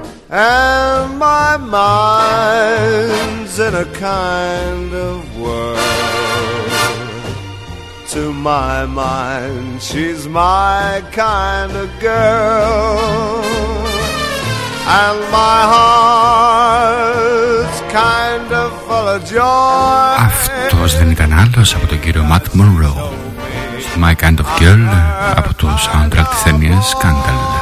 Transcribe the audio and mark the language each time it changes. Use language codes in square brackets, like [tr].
[en] And my mind's in a kind of whirl. To my mind, she's my kind of girl. And my heart's kind of full of joy. [el] Αυτός δεν ήταν άλλος από τον κύριο Matt Monro. My Kind of Girl, από το soundtrack της ταινίας Scandal.